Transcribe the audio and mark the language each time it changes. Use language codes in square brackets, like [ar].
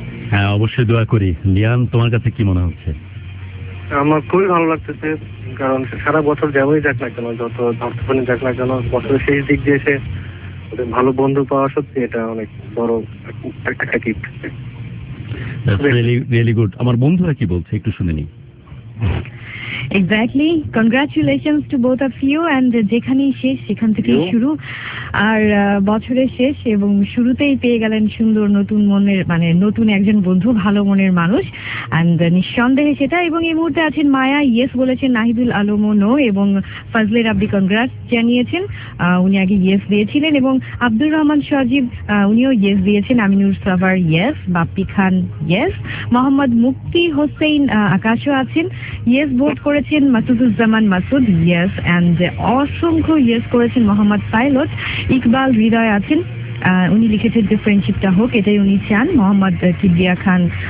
[bn] হ্যাঁ অবশ্যই দোয়া করি। লিয়ান তোমার কাছে কি মনে হচ্ছে? আমার খুবই ভালো লাগতেছে, কারণ সারা বছর যেমনই যাক না কেন, যত ধর্তপণে যাক না কেন, বছরের শেষ দিক দিয়ে এসে ওদের ভালো বন্ধু পাওয়া সত্যি এটা অনেক বড় একটা gift. [en] That's really, really good. [bn] আমার বন্ধুরা কি বলছে একটু শুনে নিই। [en] Exactly. Congratulations to both of you. [bn] And যেখানেই শেষ সেখান থেকেই শুরু, আর বছরের শেষ এবং শুরুতেই পেয়ে গেলেন সুন্দর নতুন মনের, মানে নতুন একজন বন্ধু, ভালো মনের মানুষ, অ্যান্ড নিঃসন্দেহে সেটা। এবং এই মুহূর্তে আছেন মায়া, ইয়েস বলেছেন, নাহিদুল আলম নো, এবং ফজলের আব্দি কংগ্রাস জানিয়েছেন, উনি আগে ইয়েস দিয়েছিলেন, এবং আব্দুর রহমান সজীব উনিও ইয়েস দিয়েছেন, আমিনুর সাভার ইয়েস, বাপ্পি খান ইয়েস, মোহাম্মদ মুক্তি হোসেন আকাশও আছেন, ইয়েস ভোট করেছেন, মাসুদুজ্জামান মাসুদ ইয়েস, অ্যান্ড অসংখ্য ইয়েস করেছেন মোহাম্মদ পাইলট, ইকবাল হৃদয় আছেন, উনি লিখেছেন যে ফ্রেন্ডশিপটা হোক এটাই উনি চান, মোহাম্মদ কিবরিয়া খান